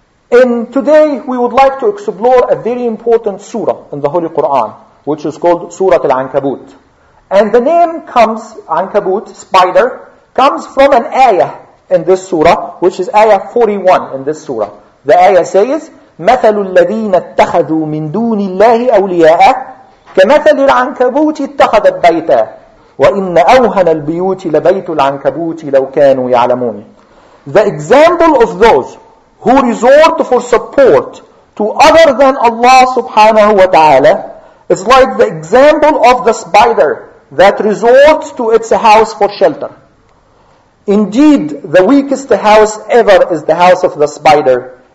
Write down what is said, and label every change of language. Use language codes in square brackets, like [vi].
[en] And today we would like to explore a very important surah in the Holy Quran, which is called Surah Al-Ankabut. And the name comes, Ankabut, spider, comes from an ayah in this surah, which is ayah 41 in this surah. The ayah says, [ar] مَثَلُ الَّذِينَ اتَّخَذُوا مِن دُونِ اللَّهِ أَوْلِيَاءَ كَمَثَلِ الْعَنْكَبُوتِ اتَّخَذَتْ بَيْتًا وَإِنَّ أَوْهَنَ الْبِيُوتِ لَبَيْتُ الْعَنْكَبُوتِ لَوْ كَانُوا يَعْلَمُونَ. [en] The example of those who resort for support to other than Allah subhanahu wa ta'ala is like the example of the spider that resorts to its house for shelter. Indeed, the weakest house ever is the house of the spider.